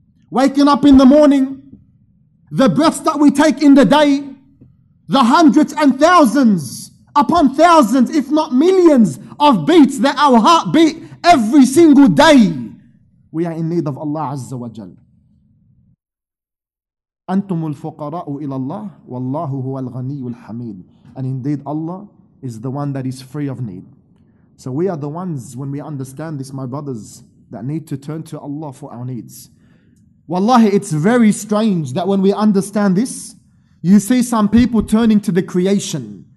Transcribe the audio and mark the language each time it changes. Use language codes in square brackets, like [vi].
[en] Waking up in the morning, the breaths that we take in the day, the hundreds and thousands upon thousands, if not millions of beats that our heart beat every single day, we are in need of Allah Azza wa Jal. [ar] أنتم الفقراء إلى الله والله هو الغني الحميد. [en] And indeed Allah is the one that is free of need. So we are the ones, when we understand this, my brothers, that need to turn to Allah for our needs. Wallahi, it's very strange that when we understand this, you see some people turning to the creation.